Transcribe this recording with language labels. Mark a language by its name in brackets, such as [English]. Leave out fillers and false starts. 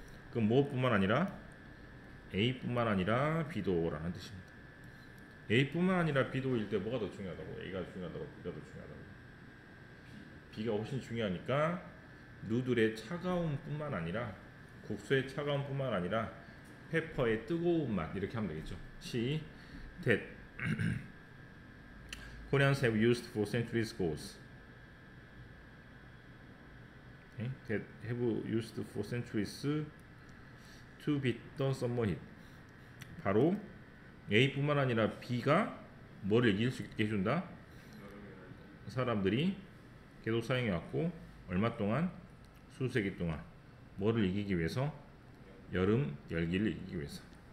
[Korean] 그럼 무엇뿐만 아니라 A뿐만 아니라 B도 라는 뜻입니다. A뿐만 아니라 B도일 때 뭐가 더 중요하다고? A가 중요하다고? B가 더 중요하다고? B가 훨씬 중요하니까 누들의 차가움 뿐만 아니라 국수의 차가움 뿐만 아니라 페퍼의 뜨거운 맛 이렇게 하면 되겠죠. [English] C that Koreans have used for centuries goes. That have used for centuries to beat the summer heat. [Korean] 바로 A뿐만 아니라 B가 뭐를 이길 수 있게 해준다? 사람들이 계속 사용해 왔고 얼마 동안? 수세기 동안 뭐를 이기기 위해서? 여름 열기를 이기기 위해서.